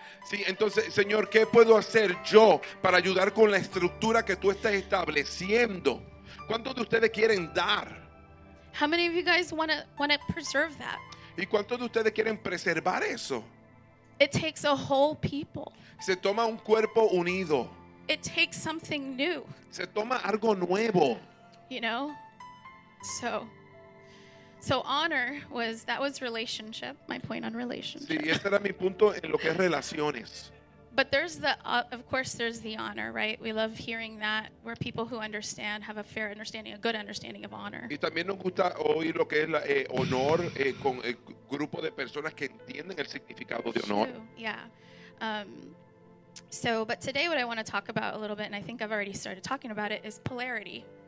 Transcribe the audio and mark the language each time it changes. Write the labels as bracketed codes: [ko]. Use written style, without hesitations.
[es] Sí, entonces, Señor, ¿qué puedo hacer yo para ayudar con la estructura que tú estás estableciendo? ¿Cuántos de ustedes quieren dar? [en] How many of you guys want to preserve that? [es] ¿Y cuántos de ustedes quieren preservar eso? [en] It takes a whole people. [es] Se toma un cuerpo unido. [en] It takes something new. [es] Se toma algo nuevo. [en] You know? So honor was relationship, my point on relationship. [es] Sí, ese era mi punto en lo que es relaciones. [en] But there's the, of course, there's the honor, right? We love hearing that, where people who understand have a fair understanding, a good understanding of honor. [es] Y también nos gusta oír lo que es la honor con el grupo de personas que entienden el significado de honor. [en] True. Yeah. So, but today what I want to talk about a little bit, and I think I've already started talking about it, is polarity.